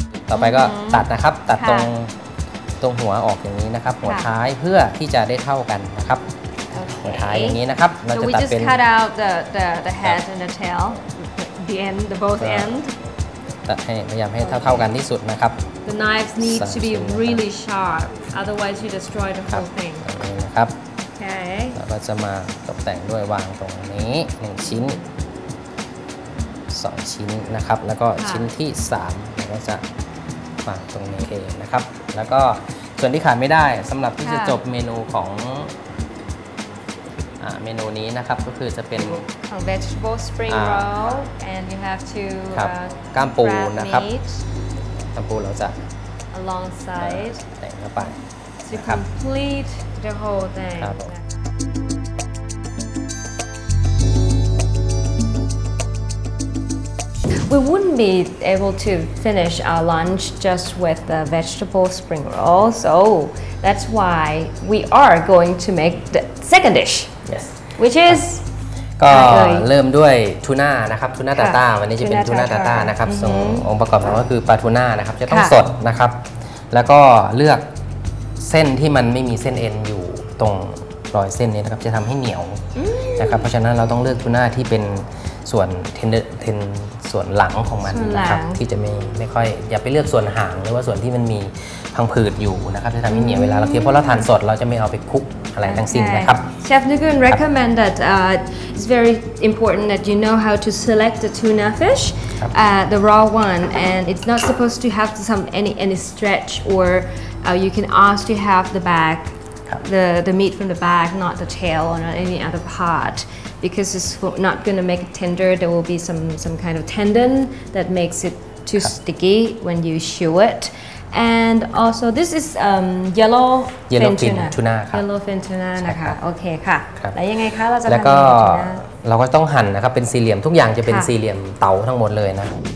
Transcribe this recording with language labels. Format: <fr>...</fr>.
<th>อไปก็ตัดนะครับตัดตรงหัวออกอย่างนี้นะครับหัวท้ายเพื่อที่จะได้เท่ากันนะครับหัวท้ายอย่างนี้นะครับเราจะตัดเป็น</th> <en>we just cut out the head and the tail the end the both end</en> <th>ตัดให้พยายามให้เท่ากันที่สุดนะครับ</th> <en>the knives need to be really sharp otherwise you destroy the whole thing</en> <th>ครับเราก็จะมาตกแต่งด้วยวางตรงนี้1ชิ้น2ชิ้นนะครับแล้วก็ชิ้นที่3เราก็จะวางตรงนี้เองนะครับแล้วก็ส่วนที่ขาดไม่ได้สำหรับที่จะจบเมนูของเมนูนี้นะครับก็คือจะเป็น</th> <en>vegetable spring roll and you have to grab</en> <th>ก้ามปูนะครับก้ามปูเราจะ</th> <en>alongside</en> <th>แต่งเข้าไป</th> <en>To complete the whole thing. We wouldn't be able to finish our lunch just with the vegetable spring roll, so that's why we are going to make the second dish. Yes. Which is.</en> <th>ก็เริ่มด้วยทูน่านะครับทูน่าตาต้าวันนี้จะเป็นทูน่าตาต้านะครับส่งองค์ประกอบก็คือปลาทูน่านะครับจะต้องสดนะครับแล้วก็เลือกเส้นที่มันไม่มีเส้นเอ็นอยู่ตรงรอยเส้นนี้นะครับจะทำให้เหนียวนะครับเพราะฉะนั้นเราต้องเลือกทูน่าที่เป็นส่วนเทนส่วนหลังของมันนะครับที่จะไม่ค่อยอย่าไปเลือกส่วนหางหรือว่าส่วนที่มันมีพังผืดอยู่นะครับจะทำให้เหนียวเวลาเราเคี้ยวเพราะเราทานสดเราจะไม่เอาไปคุกอะไรทั้งสิ้นนะครับ</th> <en>Chef Nguyen recommend that it's very important that you know how to select the tuna fish the raw one and it's not supposed to have any stretch oryou can ask to have the back, the meat from the back, not the tail or not any other part, because it's not going to make it tender. There will be some kind of tendon that makes it too sticky when you chew it. And also, this is yellow fin tuna. Yellow fin tuna,</en> <th>นะคะ</th> <en>Okay,</en> <th>ค่ะแล้วยังไงคะเราจะ แล้วก็เราก็ต้องหั่นนะครับเป็นสี่เหลี่ยมทุกอย่างจะเป็นสี่เหลี่ยมเต๋าทั้งหมดเลยนะ</th>